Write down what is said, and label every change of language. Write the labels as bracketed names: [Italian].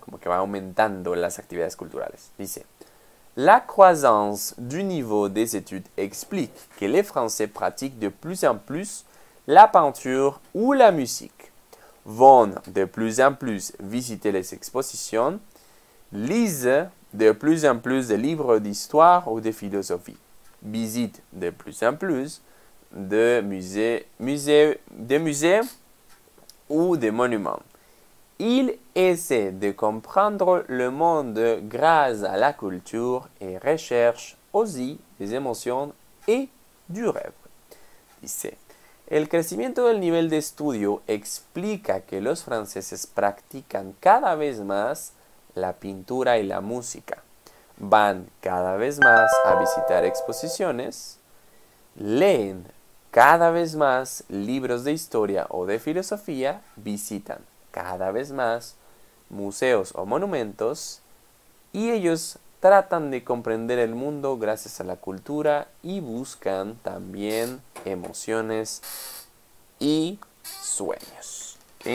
[Spanish] Como que va aumentando las actividades culturales. [French] Dice, la croissance du niveau des études explique que les Français pratiquent de plus en plus la peinture ou la musique. Vont de plus en plus visiter les expositions, lisent de plus en plus de livres d'histoire ou de philosophie, visitent de plus en plus de musées ou de monuments. Ils essaient de comprendre le monde grâce à la culture et recherchent aussi des émotions et du rêve. [Spanish] Dice, el crecimiento del nivel de estudio explica que los franceses practican cada vez más la pintura y la música. Van cada vez más a visitar exposiciones, leen cada vez más libros de historia o de filosofía, visitan cada vez más museos o monumentos y ellos tratan de comprender el mundo gracias a la cultura y buscan también emociones y sueños. ¿Sí?